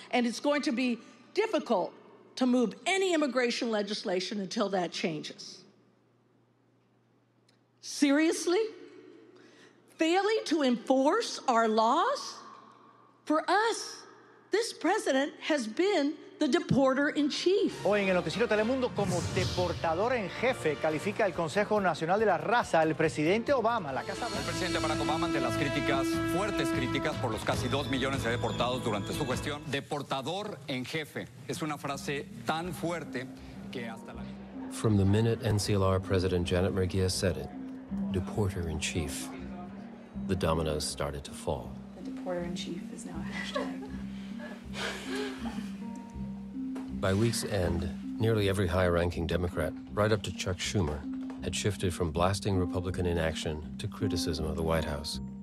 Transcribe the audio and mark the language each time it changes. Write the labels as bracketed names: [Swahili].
[English] And it's going to be difficult to move any immigration legislation until that changes. Seriously? Failing to enforce our laws? For us, this president has been the deporter in chief. [Spanish] Hoy en el noticiero Telemundo, como deportador en jefe, califica el Consejo Nacional de la Raza el presidente Obama, la Casa Blanca. El presidente Barack Obama, ante las críticas, fuertes críticas por los casi 2 millones de deportados durante su gestión, deportador en jefe, es una frase tan fuerte que hasta la. [English] From the minute NCLR President Janet Merguia said it, deporter in chief, the dominoes started to fall. The deporter in chief is now a hashtag. By week's end, nearly every high-ranking Democrat, right up to Chuck Schumer, had shifted from blasting Republican inaction to criticism of the White House.